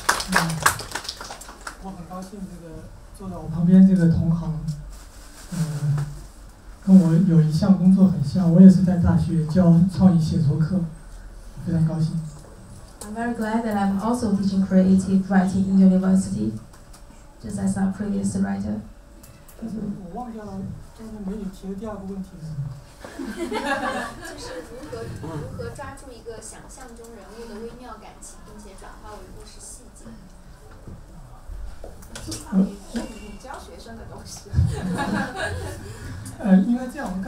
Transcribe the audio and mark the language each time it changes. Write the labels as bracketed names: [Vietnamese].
[Chinese] Mm. 我很高兴这个坐在我旁边这个同行。跟我有一项工作很像，我也是在大学教创意写作课，非常高兴。 [English] I'm very glad that I'm also teaching creative writing in university, just as our previous writer. [Chinese] 但是我忘掉了刚才没有提的第二个问题了。就是如何抓住一个想象中人物的微妙感情，并且转化为故事细节。